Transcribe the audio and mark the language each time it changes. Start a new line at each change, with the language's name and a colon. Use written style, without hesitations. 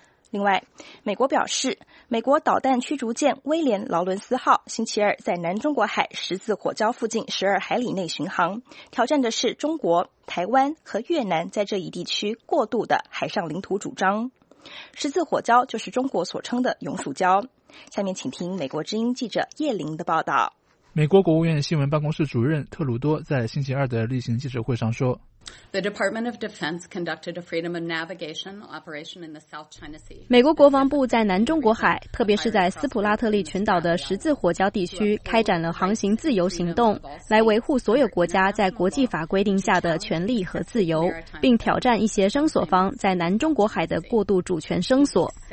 Chinese: 另外，美国表示，美国导弹驱逐舰威廉·劳伦斯号星期二在南中国海十字火礁附近12海里内巡航，挑战的是中国、台湾和越南在这一地区过度的海上领土主张。十字火礁就是中国所称的永暑礁。下面请听美国之音记者叶玲的报道。美国国务院新闻办公室主任特鲁多在星期二的例行记者会上说，
English: The Department of Defense conducted a freedom of navigation operation in the South China Sea.
Chinese: 美国国防部在南中国海，特别是在斯普拉特利群岛的十字火礁地区，开展了航行自由行动，来维护所有国家在国际法规定下的权利和自由，并挑战一些声索方在南中国海的过度主权声索。